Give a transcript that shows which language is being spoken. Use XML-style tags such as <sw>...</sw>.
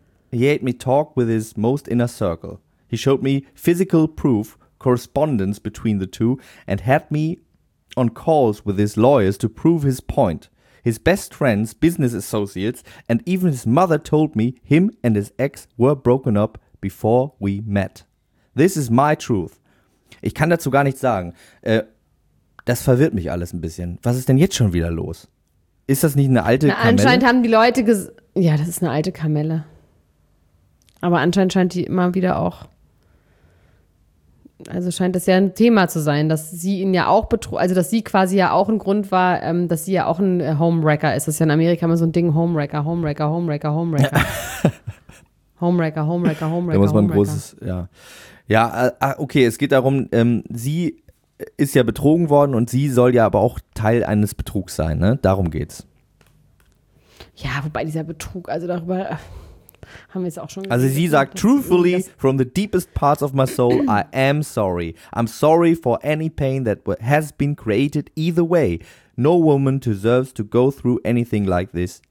<en>He had me talk with his most inner circle. He showed me physical proof, correspondence between the two, and had me on calls with his lawyers to prove his point. His best friends, business associates, and even his mother told me him and his ex were broken up before we met. This is my truth.</en> <de>Ich kann dazu gar nichts sagen. Das verwirrt mich alles ein bisschen. Was ist denn jetzt schon wieder los? Ist das nicht eine alte Kamelle? Anscheinend haben die Leute ja, das ist eine alte Kamelle. Aber anscheinend scheint die immer wieder auch. Also scheint das ja ein Thema zu sein, dass sie ihn ja auch betrug, also dass sie quasi ja auch ein Grund war, dass sie ja auch ein Homewrecker ist. Das ist ja in Amerika immer so ein Ding, Homewrecker, Homewrecker, Homewrecker, Homewrecker. Ja. Homewrecker, Homewrecker, Homewrecker, da muss man ein großes, ja. Ja, okay, es geht darum, sie ist ja betrogen worden und sie soll ja aber auch Teil eines Betrugs sein, ne? Darum geht's. Ja, wobei dieser Betrug, also darüber haben wir es auch schon gesehen. Also sie sagt,</de> <en>truthfully, from the deepest parts of my soul, I am sorry. I'm sorry for any pain that has been created either way. No woman deserves to go through anything like this.</en>